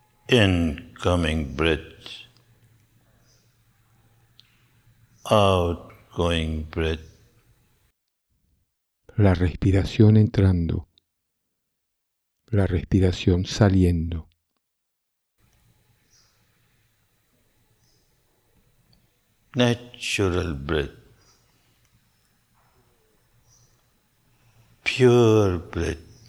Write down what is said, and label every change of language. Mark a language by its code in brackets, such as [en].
[en] Incoming breath, outgoing breath. [es] La respiración entrando, la respiración saliendo. [en] Natural breath, pure breath.